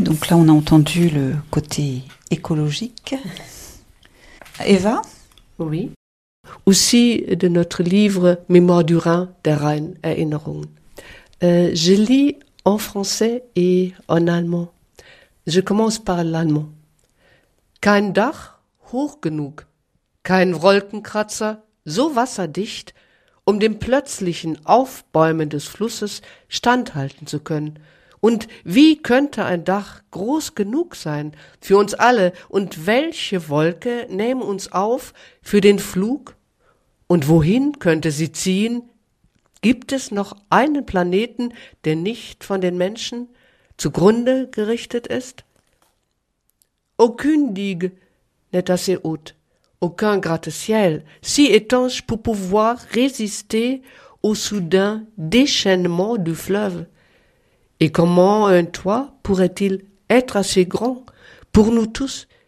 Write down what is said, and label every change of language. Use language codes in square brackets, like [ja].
[fr] Donc là, on a entendu le côté écologique. Eva ? Oui. Aussi de notre livre « Mémoire du Rhin » d'Aaron Erinnerung. Je lis en français et en allemand. Je commence par l'allemand. [de] « Kein Dach hoch genug, kein Wolkenkratzer so wasserdicht, um dem plötzlichen Aufbäumen des Flusses standhalten zu können. Und wie könnte ein Dach groß genug sein für uns alle? Und welche Wolke nähme uns auf für den Flug? Und wohin könnte sie ziehen? Gibt es noch einen Planeten, der nicht von den Menschen zugrunde gerichtet ist? [fr] Aucune digue n'est assez haute, aucun gratte-ciel si étanche pour pouvoir résister au soudain déchaînement du fleuve. Et comment un toit pourrait-il être assez grand pour nous tous?